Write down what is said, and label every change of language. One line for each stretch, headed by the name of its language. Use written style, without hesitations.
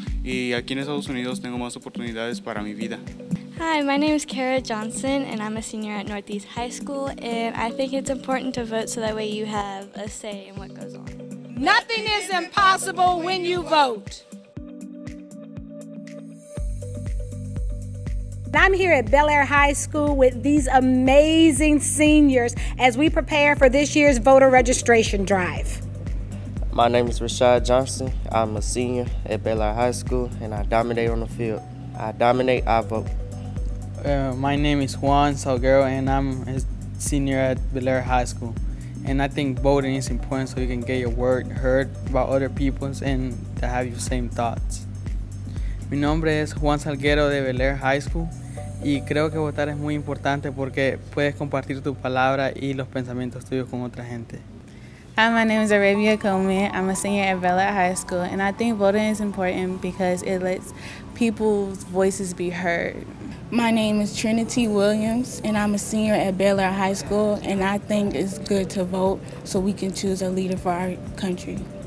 Spanish: Y aquí en Estados Unidos tengo más oportunidades para mi vida.
English: Hi, my name is Kara Johnson, and I'm a senior at Northeast High School, and I think it's important to vote so that way you have a say in what goes on. Nothing is impossible when you vote. I'm here at Belaire High School with these amazing seniors as we prepare for this year's voter registration drive. My name is Rashad Johnson. I'm a senior at Belaire High School, and I dominate on the field. I vote. My name is Juan Salguero, and I'm a senior at Belaire High School. And I think voting is important so you can get your word heard about other people's and to have your same thoughts.
Spanish: Mi nombre es Juan Salguero de Belaire High School, y creo que votar es muy importante porque puedes compartir tu palabra y los pensamientos tuyos con otra gente.
English: Hi, my name is Arabia Komi. I'm a senior at Belaire High School, and I think voting is important because it lets people's voices be heard. My name is Trinity Williams, and I'm a senior at Belaire High School, and I think it's good to vote so we can choose a leader for our country.